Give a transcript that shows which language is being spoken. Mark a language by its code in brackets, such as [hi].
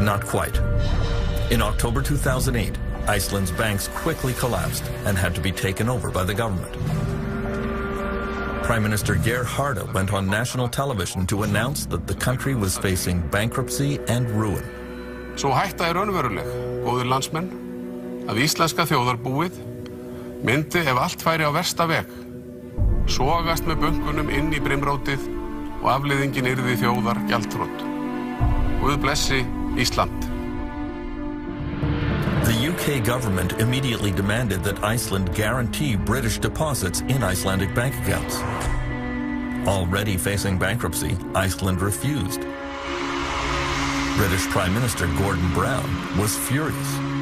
[en] Not quite. In October 2008, Iceland's banks quickly collapsed and had to be taken over by the government. Prime Minister Geir Harde went on national television to announce that the country was facing bankruptcy and ruin. [is] So hætta er raunveruleg, góðir landsmenn, að íslenska þjóðarbúið myndi ef allt færi á versta veg sogast með bönkunum inn í brimrótið og afleiðingin yrði þjóðar gjaldþrot. Guð blessi Ísland. [en] The UK government immediately demanded that Iceland guarantee British deposits in Icelandic bank accounts. Already facing bankruptcy, Iceland refused. British Prime Minister Gordon Brown was furious.